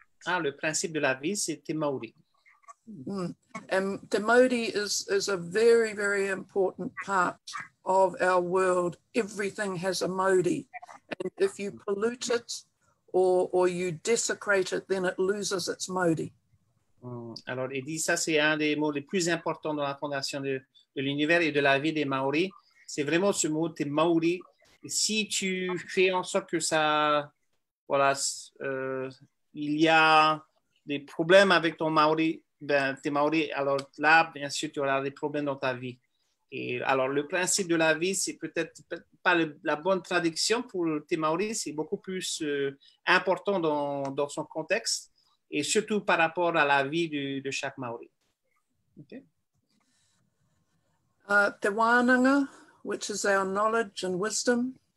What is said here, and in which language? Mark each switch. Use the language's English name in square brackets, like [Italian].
[French] Ah, le principe de la vie, c'est te mauri. [English] And te mauri is a very, very important part of our world. Everything has a mauri. And if you pollute it or you desecrate it, then it loses its mauri. [French] Alors, il dit ça, c'est un des mots les plus importants dans la fondation de l'univers et de la vie des Maori. C'est vraiment ce mot, t'es Maori. Et si tu fais en sorte que ça, voilà, il y a des problèmes avec ton Maori, ben, t'es Maori, alors là, bien sûr, tu auras des problèmes dans ta vie. Et alors, le principe de la vie, c'est peut-être pas la bonne traduction pour t'es Maori, c'est beaucoup plus important dans son contexte. Et surtout par rapport à la vie de chaque Maori. [English] Okay. Te wānanga, which is our knowledge and wisdom.